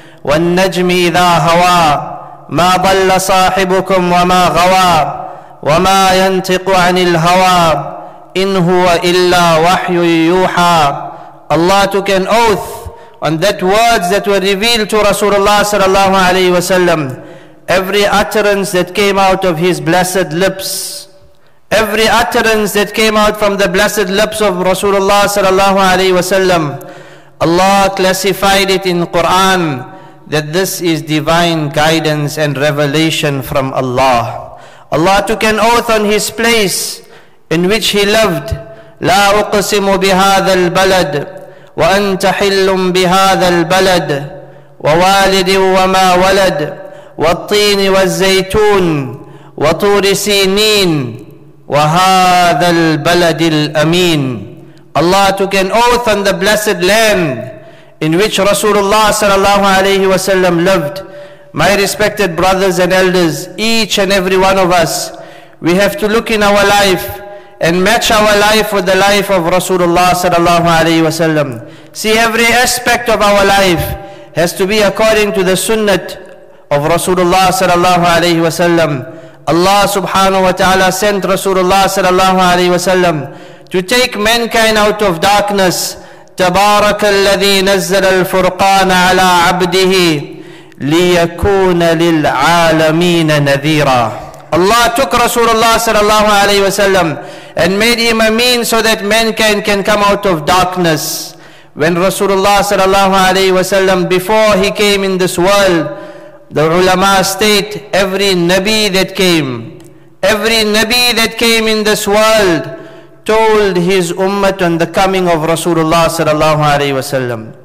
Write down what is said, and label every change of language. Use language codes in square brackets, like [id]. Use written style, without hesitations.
[ar] والنجم إذا هوى ما ضل صاحبكم وما غوى وما ينطق عن الهوى إن هو إلا وحي يوحى. [en] Allah took an oath on that words that were revealed to Rasulullah sallallahu alayhi wa sallam. Every utterance that came out of his blessed lips, every utterance that came out from the blessed lips of Rasulullah sallallahu alayhi wa sallam, Allah classified it in Quran that this is divine guidance and revelation from Allah. Allah took an oath on His place in which He lived. [ar] لا أقسم بهذا البلد وأنت حل بهذا البلد ووالد وما ولد والطين والزيتون وطور سينين وهذا البلد الأمين. [en] Allah took an oath on the blessed land in which Rasulullah sallallahu alayhi wa sallam lived. My respected brothers and elders, each and every one of us, we have to look in our life and match our life with the life of Rasulullah sallallahu alayhi wa sallam. See, every aspect of our life has to be according to the sunnah of Rasulullah sallallahu alayhi wa sallam. Allah subhanahu wa ta'ala sent Rasulullah sallallahu alayhi wa sallam to take mankind out of darkness. [ar] تبارك الذي نزل الفرقان على عبده ليكون للعالمين نذيرا. [en] Allah took Rasulullah sallallahu alayhi wa sallam and made him a means so that mankind can come out of darkness. When Rasulullah sallallahu alayhi wa sallam, before he came in this world, the ulama state, every Nabi that came in this world told his ummah on the coming of Rasulullah sallallahu alayhi wa sallam.